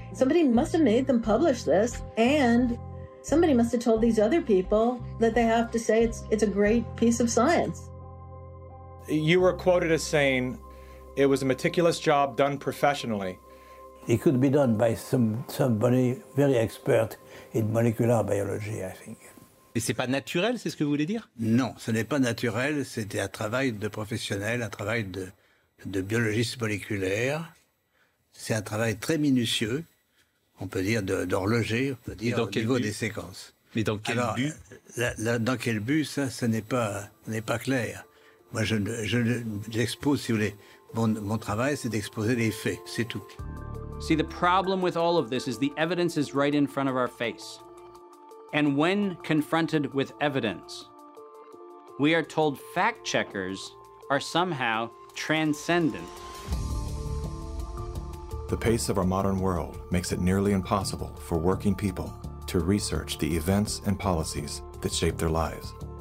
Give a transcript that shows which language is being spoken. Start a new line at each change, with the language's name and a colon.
English: Somebody must have made them publish this, and somebody must have told these other people that they have to say it's a great piece of science. You were quoted as saying it was a meticulous job done professionally. It could be done by somebody very expert in molecular biology, I think.
French: Mais c'est pas naturel, c'est ce que vous voulez dire? Non, ce n'est pas naturel, c'était un travail de professionnel, un travail de biologiste moléculaire. C'est un travail très minutieux, on peut dire d'horloger, on peut dire au niveau des séquences. Mais dans quel Alors,
English: but
French: dans quel but, ça, ce n'est pas clair. Moi, j'expose, si vous voulez, mon travail, c'est d'exposer les faits, c'est tout.
English: See, the problem with all of this is the evidence is right in front of our face. And when confronted with evidence, we are told fact checkers are somehow transcendent. The pace of our modern world makes it nearly impossible for working people to research the events and policies that shape their lives.